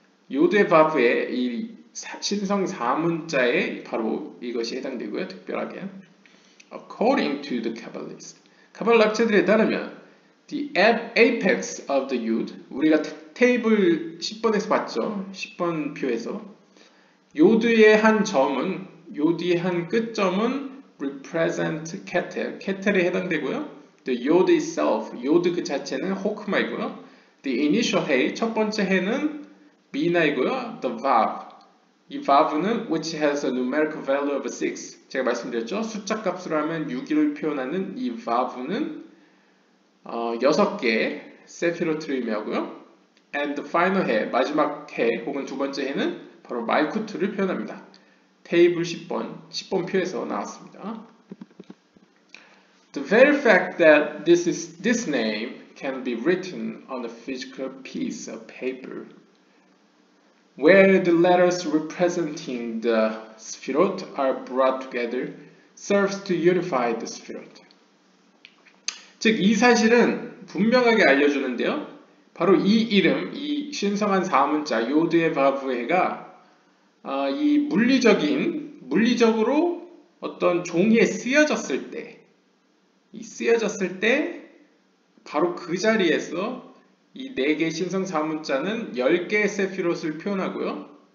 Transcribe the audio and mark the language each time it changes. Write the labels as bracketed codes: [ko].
[ko] 요드의 바브의 이 신성 4문자에 바로 이것이 해당되고요, 특별하게. [en] According to the Kabbalists, [ko] 카발라 학자들에 따르면, [en] the apex of the yud, [ko] 우리가 테이블 10번에서 봤죠. 10번 표에서 요드의 한 점은 요드의 한 끝점은 [en] represent ketel, [ko] ketel에 해당되고요. [en] The yod itself, yod [ko] 그 자체는 호크마이고요. [en] The initial hay, [ko] 첫 번째 해는 미나이고요. [en] The vav, [ko] 이 vav는 [en] which has a numerical value of 6. [ko] 제가 말씀드렸죠. 숫자 값으로 하면 6을 표현하는 이 vav는 6개의 세피로트를 의미하고요. [en] And the final [ko] 해, 마지막 해 혹은 두 번째 해는 바로 말쿠트를 표현합니다. 테이블 10번, 10번 표에서 나왔습니다. [en] The very fact that this name can be written on a physical piece of paper where the letters representing the Sefirot are brought together serves to unify the Sefirot. [ko] 즉, 이 사실은 분명하게 알려주는데요. 바로 이 이름, 이 신성한 4문자, 요드의 바브해가 이 물리적으로 어떤 종이에 쓰여졌을 때, 이 쓰여졌을 때, 바로 그 자리에서 이 네 개의 신성 4문자는 10개의 세피롯을 표현하고요.